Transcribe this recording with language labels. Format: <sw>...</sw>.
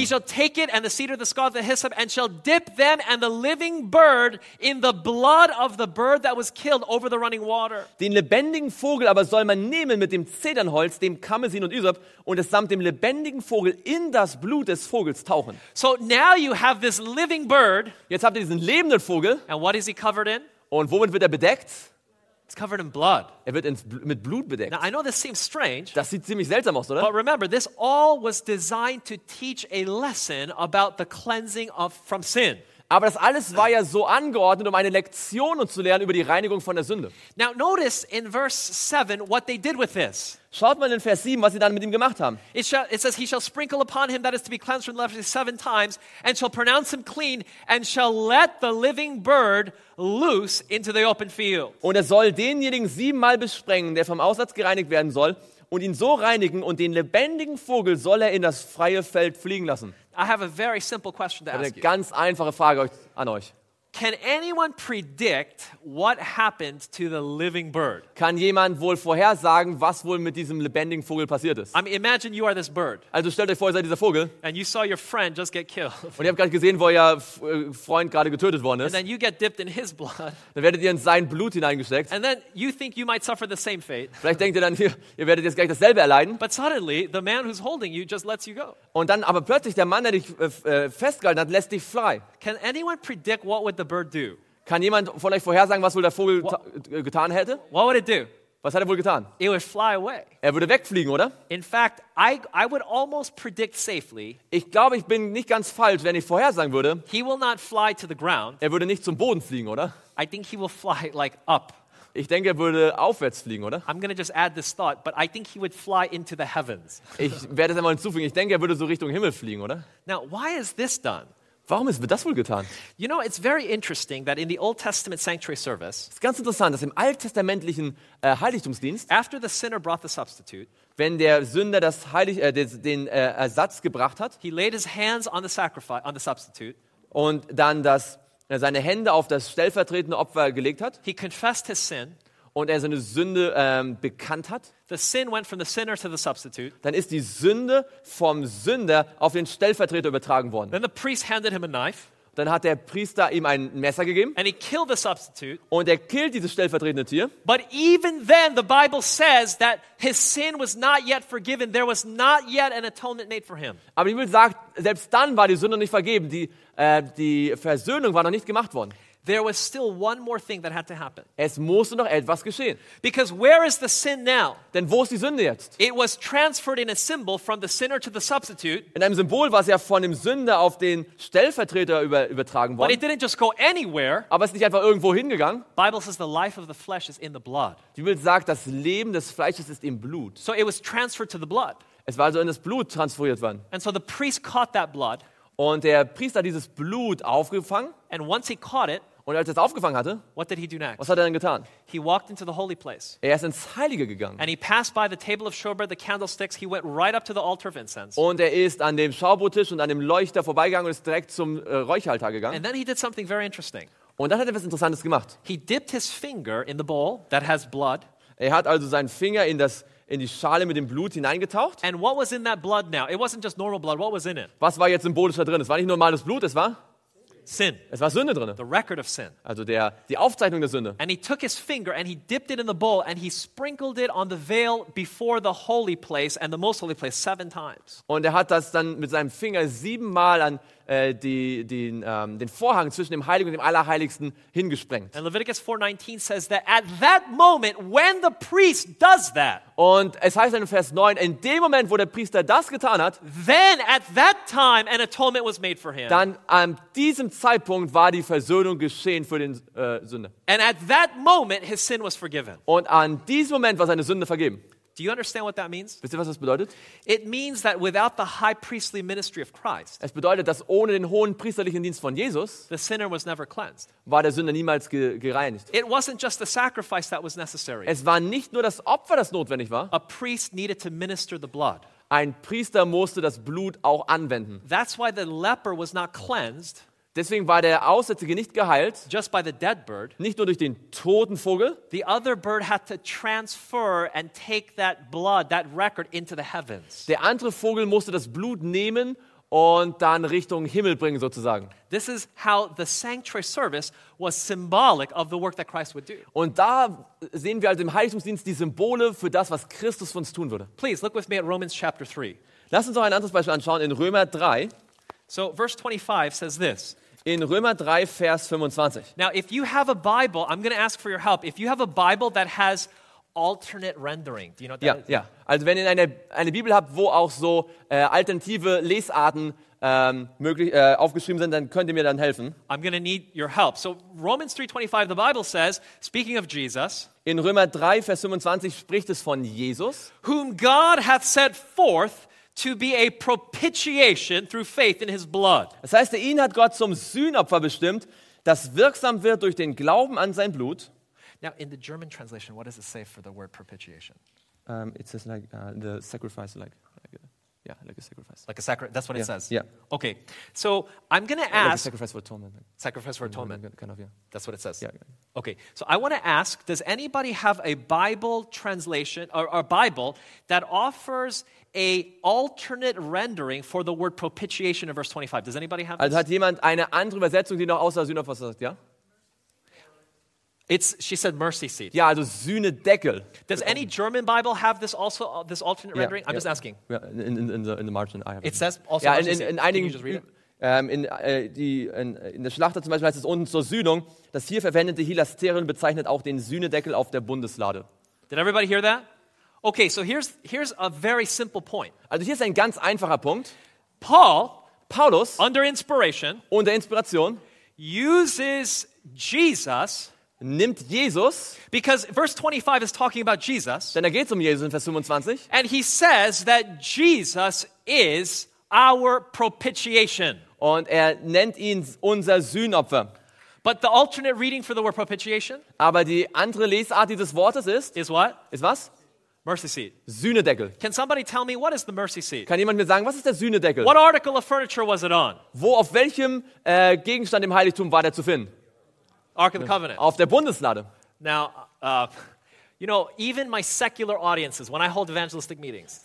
<en>He shall take it and the cedar, the scarlet, the hyssop and shall dip them and the living bird in the blood of the bird that was killed over the running water.</en> <de>Den lebendigen Vogel aber soll man nehmen mit dem Zedernholz, dem Kamesin und Hyssop und es samt dem lebendigen Vogel in das Blut des Vogels tauchen.</de> <en>So now you have this living bird.</en> <de>Jetzt habt ihr diesen lebenden Vogel.</de> <en>And what is he covered in?</en> <de>Und womit wird er bedeckt?</de> <en>It's covered in blood.</en> <de>Er wird mit Blut bedeckt.</de> <en>Now I know this seems strange.</en> <de>Das sieht ziemlich seltsam aus, oder?</de> <en>But remember, this all was designed to teach a lesson about the cleansing from sin.</en> <de>Aber das alles war ja so angeordnet, um eine Lektion zu lernen über die Reinigung von der Sünde.</de> <en>Now notice in verse 7 what they did with this.</en> <de>Schaut mal in Vers 7, was sie dann mit ihm gemacht haben.</de> <en>It says, he shall sprinkle upon him that is to be cleansed from leprosy 7 times and shall pronounce him clean and shall let the living bird loose into the open field.</en> <de>Und er soll denjenigen 7-mal besprengen, der vom Aussatz gereinigt werden soll und ihn so reinigen und den lebendigen Vogel soll er in das freie Feld fliegen lassen.</de> <en>I have a very simple question to ask you.</en> <de>Eine ganz einfache Frage an euch.</de> <en>Can anyone predict what happened to the living bird?</en> <de>Kann jemand wohl vorhersagen, was wohl mit diesem lebendigen Vogel passiert ist?</de> <en>I mean, imagine you are this bird.</en> <de>Also stellt euch vor, ihr seid dieser Vogel.</de> <en>And you saw your friend just get killed.</en> <de>Und ihr habt gerade gesehen, wo euer Freund gerade getötet worden ist.</de> <en>And then you get dipped in his blood.</en> <de>Dann werdet ihr in sein Blut hineingesteckt.</de> <en>And then you think you might suffer the same fate.</en> <de>Vielleicht denkt ihr dann, ihr werdet jetzt gleich dasselbe erleiden.</de> <en>But suddenly, the man who's holding you just lets you go.</en> <de>Und dann aber plötzlich der Mann, der dich festgehalten hat, lässt dich frei.</de> <en>Can anyone predict what would the bird do?</en> <de>Kann jemand von euch vorhersagen, was wohl der Vogel getan hätte?</de> <en>What would it do?</en> <de>Was hat er wohl getan?</de> <en>It would fly away.</en> <de>Er würde wegfliegen, oder?</de> <en>In fact, I would almost predict safely.</en> <de>Ich glaube, ich bin nicht ganz falsch, wenn ich vorhersagen würde.</de> <en>He will not fly to the ground.</en> <de>Er würde nicht zum Boden fliegen, oder?</de> <en>I think he will fly like up.</en> <de>Ich denke, er würde aufwärts fliegen, oder?</de> <en>I'm going to just add this thought, but I think he would fly into the heavens.</en> <de>Ich werde es einmal hinzufügen. Ich denke, er würde so Richtung Himmel fliegen, oder?</de> <en>Now, why is this done?</en> <de>Warum ist das wohl getan?</de> <en>You know, it's very interesting that in the Old Testament sanctuary service,</en> <de>es ist ganz interessant, dass im alttestamentlichen Heiligtumsdienst,</de> <en>after the sinner brought the substitute,</en> <de>wenn der Sünder das Ersatz gebracht hat,</de> <en>he laid his hands on the sacrifice, on the substitute,</en> <de>und dann seine Hände auf das stellvertretende Opfer gelegt hat,</de> <en>he confessed his sin,</en> <de>und er seine Sünde bekannt hat,</de> <en>the sin went from the sinner to the substitute.</en> <de>Dann ist die Sünde vom Sünder auf den Stellvertreter übertragen worden.</de> <en>Then the priest handed him a knife.</en> <de>Dann hat der Priester ihm ein Messer gegeben.</de> <en>And he killed the substitute.</en> <de>Und er killt dieses stellvertretende Tier.</de> <en>But even then, the Bible says that his sin was not yet forgiven. There was not yet an atonement made for him.</en> <de>Aber die Bibel sagt, selbst dann war die Sünde nicht vergeben. Die Versöhnung war noch nicht gemacht worden.</de> <en>There was still one more thing that had to happen.</en> <de>Es musste noch etwas geschehen.</de> <en>Because where is the sin now?</en> <de>Denn wo ist die Sünde jetzt?</de> <en>It was transferred in a symbol from the sinner to the substitute.</en> <de>In einem Symbol war es ja von dem Sünder auf den Stellvertreter übertragen worden.</de> <en>But it didn't just go anywhere.</en> <de>Aber es ist nicht einfach irgendwo hingegangen.</de> <en>Bible says the life of the flesh is in the blood.</en> <de>Die Bibel sagt, das Leben des Fleisches ist im Blut.</de> <en>So it was transferred to the blood.</en> <de>Es war also in das Blut transferiert worden.</de> <en>And so the priest caught that blood.</en> <de>Und der Priester hat dieses Blut aufgefangen.</de> <en>And once he caught it,</en> <de>und als er es aufgefangen hatte,</de> <en>what did he do next?</en> <de>Was hat er dann getan?</de> <en>He walked into the holy place.</en> <de>Er ist ins Heilige gegangen.</de> <en>And he passed by the table of showbread, the candlesticks. He went right up to the altar of incense.</en> <de>Und er ist an dem Schaubrottisch und an dem Leuchter vorbeigegangen und ist direkt zum Räucheraltar gegangen.</de> <en>And then he did something very interesting.</en> <de>Und dann hat er was Interessantes gemacht.</de> <en>He dipped his finger in the bowl that has blood.</en> <de>Er hat also seinen Finger in das in die Schale mit dem Blut hineingetaucht.</de> <en>And what was in that blood now? It wasn't just normal blood. What was in it?</en> <de>Was war jetzt symbolisch da drin? Es war nicht normales Blut, es war</de> <en>Sin.</en> <de>Es war Sünde drin.</de> <en>The record of sin.</en> <de>Also die Aufzeichnung der Sünde.</de> <en>And he took his finger and he dipped it in the bowl and he sprinkled it on the veil before the holy place and the most holy place 7 times.</en> <de>Und er hat das dann mit seinem Finger 7 Mal an den Vorhang zwischen dem Heiligen und dem Allerheiligsten hingesprengt.</de> <en>And Leviticus 4:19 says that at that moment when the priest does that.</en> <de>Und es heißt in Vers 9, in dem Moment, wo der Priester das getan hat,</de> <en>then at that time an atonement was made for him.</en> <de>Dann an diesem Zeitpunkt war die Versöhnung geschehen für den Sünder.</de> <en>And at that moment his sin was forgiven.</en> <de>Und an diesem Moment war seine Sünde vergeben.</de> <en>Do you understand what that means?</en> <de>Wisst ihr, was das bedeutet?</de> <en>It means that without the high priestly ministry of Christ,</en> <de>es bedeutet, dass ohne den hohen priesterlichen Dienst von Jesus,</de> <en>the sinner was never cleansed.</en> <de>War der Sünder niemals gereinigt.</de> <en>It wasn't just the sacrifice that was necessary.</en> <de>Es war nicht nur das Opfer, das notwendig war.</de> <en>A priest needed to minister the blood.</en> <de>Ein Priester musste das Blut auch anwenden.</de> <en>That's why the leper was not cleansed.</en> <de>Deswegen war der Aussätzige nicht geheilt.</de> <en>Just by the dead bird,</en> <de>nicht nur durch den toten Vogel.</de> <en>The other bird had to transfer and take that blood, that record into the heavens.</en> <de>Der andere Vogel musste das Blut nehmen und dann Richtung Himmel bringen sozusagen.</de> <en>This is how the sanctuary service was symbolic of the work that Christ would do.</en> <de>Und da sehen wir also im Heiligungsdienst die Symbole für das, was Christus für uns tun würde.</de> <en>Please look with me at Romans chapter 3.</en> <de>Lass uns noch ein anderes Beispiel anschauen in Römer 3.</de> <en>So verse 25 says this.</en> <de>In Römer 3 Vers 25.</de> <en>Now if you have a Bible, I'm going to ask for your help. If you have a Bible that has alternate rendering, do you know what that is? Yeah.</en> <de>Also wenn ihr eine Bibel habt, wo auch so alternative Lesarten aufgeschrieben sind, dann könnt ihr mir dann helfen.</de> <en>I'm going to need your help. So Romans 3:25, the Bible says, speaking of Jesus.</en> <de>In Römer 3 Vers 25 spricht es von Jesus,</de> <en>whom God hath set forth to be a propitiation through faith in his blood.</en> <de>Das heißt, ihn hat Gott zum Sühnopfer bestimmt, das wirksam wird durch den Glauben an sein Blut.</de> <en>Now in the German translation, what does it say for the word propitiation? It says like the sacrifice, like a sacrifice. Like a sacrifice, that's what it says. Yeah. Okay. So, I'm going to ask like sacrifice for atonement. Sacrifice for atonement. Kind of, yeah. That's what it says. Yeah. Okay. So, I want to ask, does anybody have a Bible translation or Bible that offers a alternate rendering for the word propitiation in verse 25. Does anybody have this?</en> <de>Also hat jemand eine andere Übersetzung, die noch außer Sühnopfer sagt, ja?</de> <en>It's, she said mercy seat.</en> <de>Ja, also Sühnedeckel.</de> <en>Does any German Bible have this also, this alternate rendering? I'm just asking. Yeah, in the margin, I have it. It says also mercy seat. Can you just read it?</en> <de>In der Schlachter zum Beispiel heißt es unten zur Sühnung, das hier verwendete Hilasterion bezeichnet auch den Sühnedeckel auf der Bundeslade.</de> <en>Did everybody hear that? Okay, so here's a very simple point.</en> <de>Also hier ist ein ganz einfacher Punkt. Paulus,</de> <en>under inspiration,</en> <de>unter Inspiration,</de> <en>uses Jesus,</en> <de>nimmt Jesus,</de> <en>because verse 25 is talking about Jesus,</en> <de>denn da geht's Jesus in Vers 25,</de> <en>and he says that Jesus is our propitiation.</en> <de>Und nennt ihn unser Sühnopfer.</de> <en>But the alternate reading for the word propitiation?</en> <de>Aber die andere Lesart dieses Wortes ist?</de> <en>Is what?</en> <de>Ist was?</de> <en>Mercy seat.</en> <de>Sühnedeckel.</de> <en>Can somebody tell me what is the mercy seat?</en> <de>Kann jemand mir sagen, was ist der Sühnedeckel?</de> <en>What article of furniture was it on?</en> <de>Wo auf welchem Gegenstand im Heiligtum war der zu finden?</de> <en>Ark of the Covenant.</en> <de>Auf der Bundeslade.</de> <en>Now, you know, even my secular audiences, when I hold evangelistic meetings,</en>